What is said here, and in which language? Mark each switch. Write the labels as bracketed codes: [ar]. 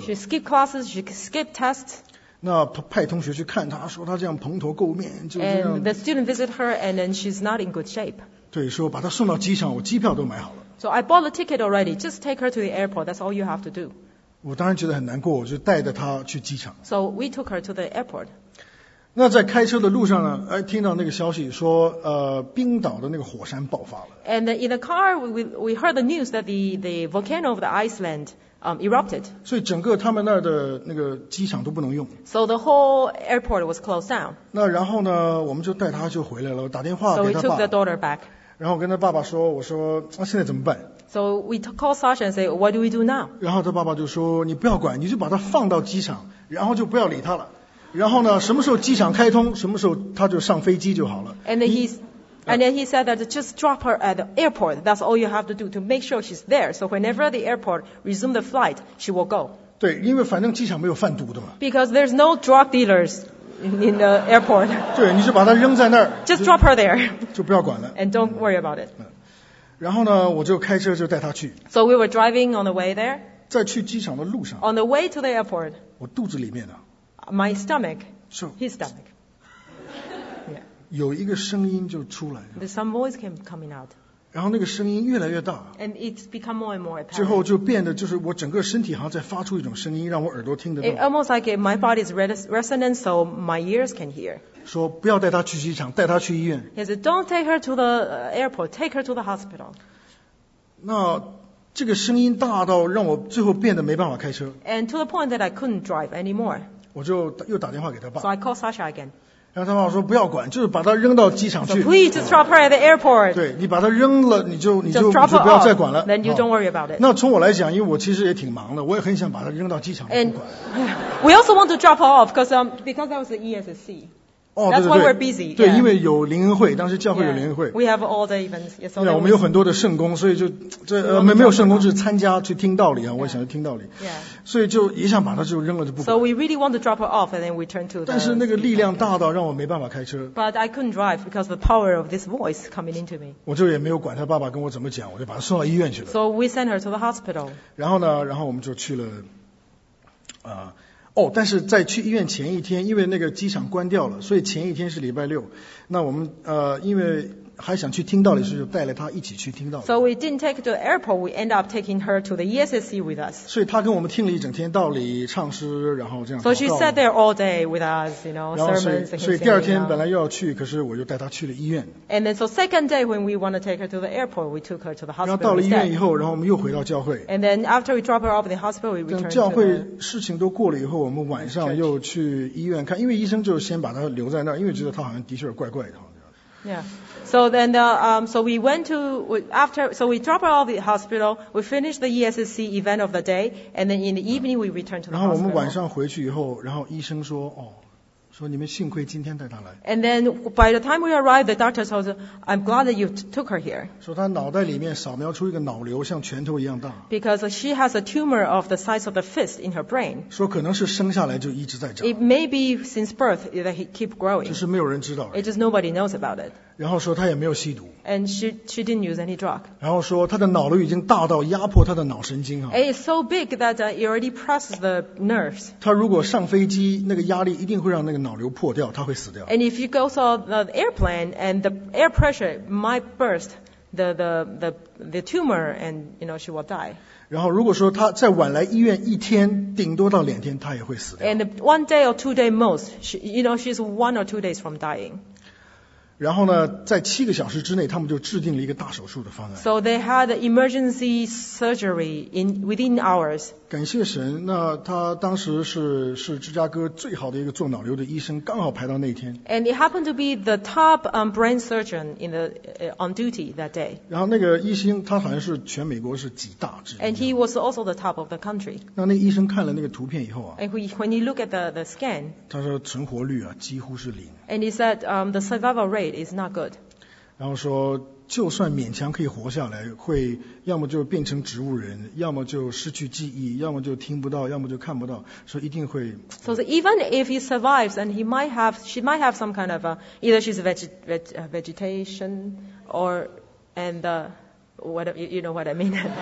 [en] She skip classes, she skip tests [zh] 那派同学去看她说她这样蓬头垢面就这样 [en] And the student visit her and then she's not in good shape [zh] 对说把她送到机场我机票都买好了 [en] So I bought the ticket already just take her to the airport that's all you have to do [zh] 我当然觉得很难过我就带着她去机场 [en] So we took her to the airport [zh] 那在开车的路上呢，哎，听到那个消息说，冰岛的那个火山爆发了。 [en] And in the car, we heard the news that the volcano of the Iceland erupted. [zh] 所以整个他们那儿的那个机场都不能用。 [en] So the whole airport was closed down. [zh] 那然后呢，我们就带他就回来了，打电话给他爸。 [en] So we took the daughter back. [zh] 然后跟他爸爸说，我说，那现在怎么办？ [en] So we called Sasha and said, what do we do now? [zh] 然后他爸爸就说，你不要管，你就把他放到机场，然后就不要理他了。然后呢，什么时候机场开通，什么时候他就上飞机就好了。 [en] And then he said that just drop her at the airport. That's all you have to do to make sure she's there. So whenever the airport resume the flight, she will go. [zh] 对，因为反正机场没有贩毒的嘛。 [en] Because there's no drug dealers in the airport. [zh] 对，你就把她扔在那儿。 [en] Just drop her there. [zh] 就不要管了。 [en] And don't worry about it. [zh] 然后呢，我就开车就带她去。 [en] So we were driving on the way there. [zh] 在去机场的路上。 [en] On the way to the airport. [zh] 我肚子里面呢、啊。 [en] My stomach, his stomach. Yeah. [zh] 有一个声音就出来了。 [en] There's some voice came coming out. [zh] 然后那个声音越来越大。 [en] And it's become more and more apparent. [zh] 最后就变得就是我整个身体好像在发出一种声音，让我耳朵听得到。 [en] It almost like my body is resonant, so my ears can hear. [zh] 说不要带她去机场，带她去医院。 [en] He said, "Don't take her to the airport. Take her to the hospital." [zh] 那这个声音大到让我最后变得没办法开车。 [en] And to the point that I couldn't drive anymore. [zh] 我就又打电话给他爸。 [en] So I called Sasha again. [zh] 然后他爸说不要管，就是把他扔到机场去。 [en] So please just drop her at the airport. [zh] 对，你把他扔了，你就不要再管了。 [en] Then you don't worry about it. [zh] 那从我来讲，因为我其实也挺忙的，我也很想把他扔到机场去管。 [en] And we also want to drop her off because that was the ESSC. Oh, that's why we're busy. [zh] 对，因为有灵恩会，当时教会有灵恩会。 [en] We have all the events. Yes. [zh] 对，我们有很多的圣工，所以就这没有圣工，就是参加去听道理啊，我也想去听道理。 [en] Yeah. [zh] 所以就一下把他就扔了就不管。 [en] So we really want to drop her off and then we turn to. [zh] 但是那个力量大到让我没办法开车。 [en] But I couldn't drive because of the power of this voice coming into me. [zh] 我就也没有管他爸爸跟我怎么讲，我就把他送到医院去了。 [en] So we sent her to the hospital. [zh] 然后呢，然后我们就去了，哦，但是在去医院前一天，因为那个机场关掉了，所以前一天是礼拜六。那我们因为还想去听道理，所以就带了他一起去听道理。 [en] So we didn't take to the airport. We end up taking her to the ESSC with us. [zh] 所以他跟我们听了一整天道理、唱诗，然后这样。 [en] So she sat there all day with us, you know, sermons. [zh] 所以第二天本来又要去，可是我又带她去了医院。 [en] And then so second day when we want to take her to the airport, we took her to the hospital. [zh] 然后到了医院以后，然后我们又回到教会。 [en] And then after we drop her off at the hospital, we returned. [zh] 等教会事情都过了以后，我们晚上又去医院看，因为医生就先把她留在那儿，因为觉得她好像的确怪怪的。 [en] So we drop her off at the hospital. We finish the ESSC event of the day, and then in the evening we return to the hospital. [zh] 然后我们晚上回去以后，然后医生说，哦，说你们幸亏今天带她来。 [en] And then by the time we arrived, the doctor said, "I'm glad that you took her here." [zh] 说她脑袋里面扫描出一个脑瘤，像拳头一样大。 [en] Because she has a tumor of the size of the fist in her brain. [zh] 说可能是生下来就一直在长。 [en] It may be since birth that it keep growing. [zh] 就是没有人知道。 [en] It just nobody knows about it. [zh] 然后说他也没有吸毒。 [en] And she didn't use any drug. [zh] 然后说他的脑瘤已经大到压迫他的脑神经啊。 [en] It's so big that it already presses the nerves. [zh] 他如果上飞机，那个压力一定会让那个脑瘤破掉，他会死掉。 [en] And if you go on the airplane and the air pressure might burst the tumor and you know she will die. [zh] 然后如果说他再晚来医院一天，顶多到两天，他也会死掉。 [en] And one day or two days most, you know she's one or two days from dying. [zh] 然后呢，在七个小时之内，他们就制定了一个大手术的方案。 [en] So they had emergency surgery within hours. [zh] 感谢神，那他当时是芝加哥最好的一个做脑瘤的医生，刚好排到那天。 [en] And it happened to be the top brain surgeon in the on duty that day. [zh] 然后那个医生，他好像是全美国是几大之一。 [en] And he was also the top of the country. [zh] 那医生看了那个图片以后啊 [en] ，And when he looked at the scan, [zh] 他说存活率啊几乎是零。 [en] And he said the survival rate is not good. [zh] 然后说就算勉强可以活下来，会要么就变成植物人，要么就失去记忆，要么就听不到，要么就看不到，说一定会。 [en] So even if he survives, and she might have some kind of either she's vegetation or you know what I mean.